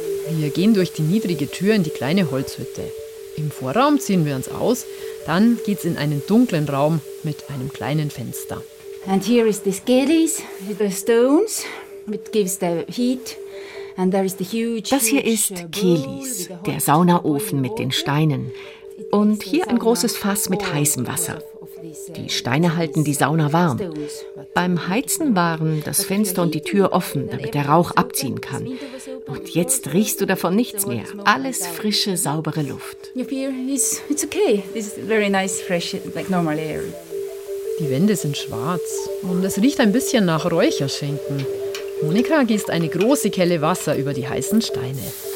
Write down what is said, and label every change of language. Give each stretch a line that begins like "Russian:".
German: Wir gehen durch die niedrige Tür in die kleine Holzhütte. Im Vorraum ziehen wir uns aus, dann geht's in einen dunklen Raum mit einem kleinen Fenster.
English: And here is the skellies, the stones, which gives the heat. And there is the huge,
German: das hier ist Kelis, der Saunaofen mit den Steinen. Und hier ein großes Fass mit heißem Wasser. Die Steine halten die Sauna warm. Beim Heizen waren das Fenster und die Tür offen, damit der Rauch abziehen kann. Und jetzt riechst du davon nichts mehr. Alles frische, saubere Luft.
English: It's okay. This is very nice, fresh, like normal air.
German: Die Wände sind schwarz und es riecht ein bisschen nach Räucherschinken. Monika gießt eine große Kelle Wasser über die heißen Steine.